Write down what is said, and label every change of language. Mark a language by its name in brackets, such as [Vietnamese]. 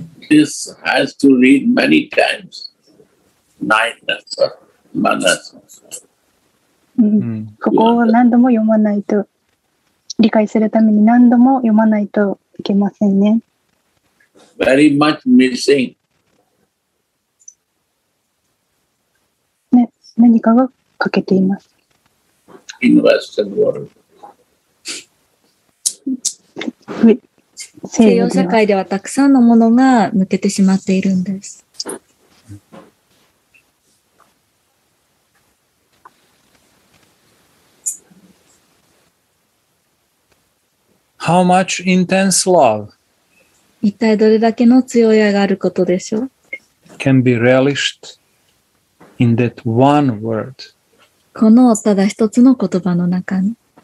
[English] This has to read many times. Nine manas. [Japanese] ここを何度も読まないと、理解するために何度も読まないといけませんね。 [English] Very much missing. [Japanese] ね、何かが欠けています。 [English] In Western world. [Japanese] 西洋社会ではたくさんのものが抜けてしまっているんです。 [English] How much intense love? [Japanese] 一体どれだけの強い愛があることでしょう? [English] Can be relished in that one word. [Japanese] このただ一つの言葉の中に。